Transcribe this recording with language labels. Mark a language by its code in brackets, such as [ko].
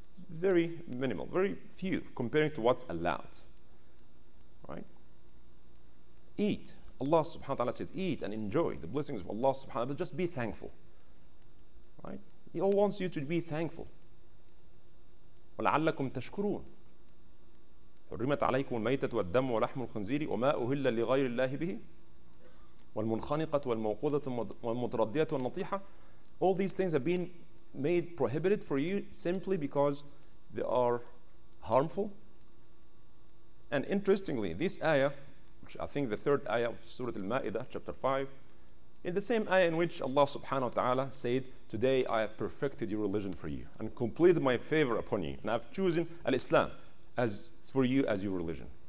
[en] Very minimal, very few, comparing to what's allowed, right? Eat, Allah subhanahu wa ta'ala says, eat and enjoy the blessings of Allah subhanahu wa ta'ala, but just be thankful, right? He all wants you to be thankful. [ar] وَلَعَلَّكُمْ تَشْكُرُونَ حرمت عليكم الميتة والدم ولحم الخنزير وما أهل لغير الله به والمنخنقة والموقوذة والمتردية والنطيحة. [en] All these things have been made prohibited for you simply because they are harmful. And interestingly, this ayah, which I think the third ayah of Surah Al-Ma'idah, chapter 5, in the same ayah in which Allah subhanahu wa ta'ala said, today I have perfected your religion for you and completed my favor upon you, and I've chosen Al-Islam as for you as your religion.